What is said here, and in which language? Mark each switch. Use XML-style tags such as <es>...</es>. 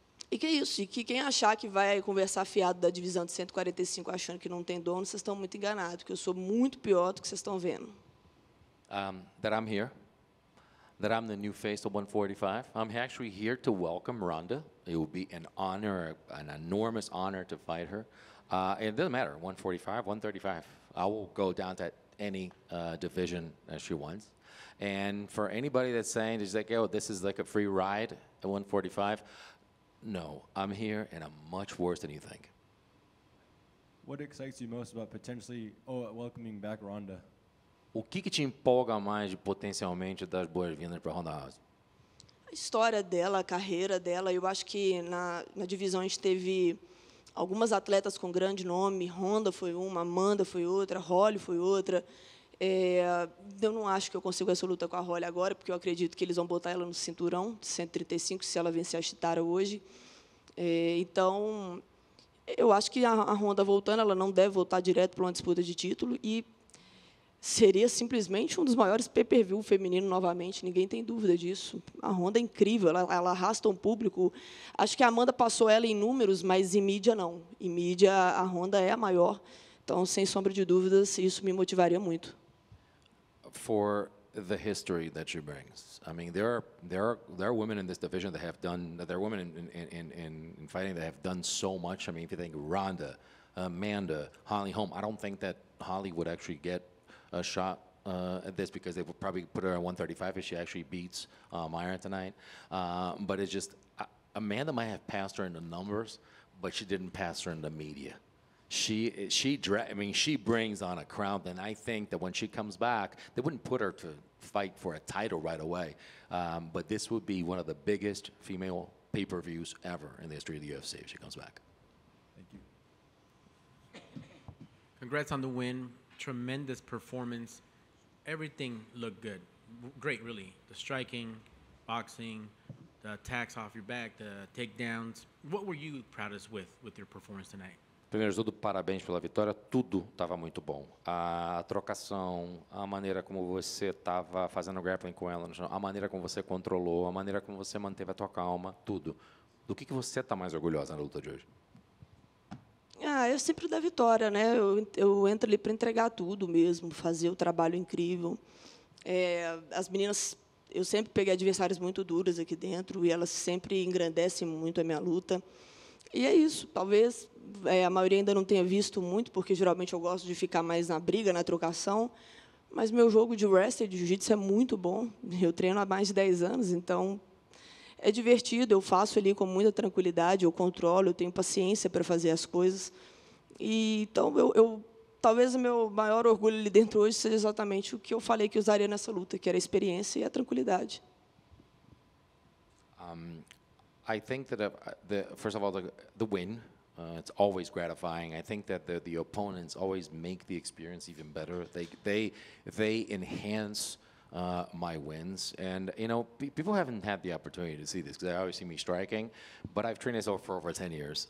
<pt>E que é isso, e que quem achar que vai conversar fiado da divisão de 145 achando que não tem dono, vocês estão muito enganados, porque eu sou muito pior do que vocês estão vendo.</pt> <en>That I'm here, that I'm the new face of 145. I'm actually here to welcome Ronda. It will be an honor, an enormous honor to fight her. It doesn't matter, 145, 135. I will go down to any division that she wants. And for anybody that's saying, it's like, oh, this is like a free ride at 145, no, I'm here, and I'm much worse than you think. What excites you most about potentially welcoming back Ronda?</en> <pt>O que te empolga mais de potencialmente das boas-vindas para Ronda House? A história dela, a carreira dela, eu acho que na divisão a gente teve algumas atletas com grande nome. Ronda foi uma, Amanda foi outra, Holly foi outra. Eu não acho que eu consigo essa luta com a Holly agora, porque eu acredito que eles vão botar ela no cinturão, 135, se ela vencer a Chitara hoje. Então, eu acho que a Ronda voltando, ela não deve voltar direto para uma disputa de título. E seria simplesmente um dos maiores pay-per-view feminino novamente, ninguém tem dúvida disso. A Ronda é incrível, ela arrasta um público. Acho que a Amanda passou ela em números, mas em mídia não. Em mídia, a Ronda é a maior. Então, sem sombra de dúvidas, isso me motivaria muito.</pt> <en>For the history that she brings. I mean, there are women in this division that have done, there are women in fighting that have done so much. I mean, if you think Ronda, Amanda, Holly Holm, I don't think that Holly would actually get a shot at this because they would probably put her at 135 if she actually beats Myra tonight. But it's just, Amanda might have passed her in the numbers, but she didn't pass her in the media. She brings on a crowd, and I think that when she comes back, they wouldn't put her to fight for a title right away. But this would be one of the biggest female pay-per-views ever in the history of the UFC if she comes back. Thank you. Congrats on the win. Tremendous performance. Everything looked good. Great, really. The striking, boxing, the attacks off your back, the takedowns. What were you proudest with your performance tonight?</en> <pt>Primeiro de tudo, parabéns pela vitória. Tudo estava muito bom. A trocação, a maneira como você estava fazendo grappling com ela, a maneira como você controlou, a maneira como você manteve a tua calma, tudo. Do que você está mais orgulhosa na luta de hoje? Ah, eu sempre da vitória, né? Eu entro ali para entregar tudo mesmo, fazer o trabalho incrível. As meninas, eu sempre peguei adversários muito duros aqui dentro e elas sempre engrandecem muito a minha luta. E é isso, talvez a maioria ainda não tenha visto muito, porque geralmente eu gosto de ficar mais na briga, na trocação, mas meu jogo de wrestling, de jiu-jitsu, é muito bom. Eu treino há mais de 10 anos, então é divertido, eu faço ali com muita tranquilidade, eu controlo, eu tenho paciência para fazer as coisas. E, então, eu talvez o meu maior orgulho ali dentro hoje seja exatamente o que eu falei que usaria nessa luta, que era a experiência e a tranquilidade.</pt> <en>I think that first of all, the win, it's always gratifying. I think that the opponents always make the experience even better. They enhance my wins. And, you know, people haven't had the opportunity to see this because they always see me striking, but I've trained myself for over 10 years.</en>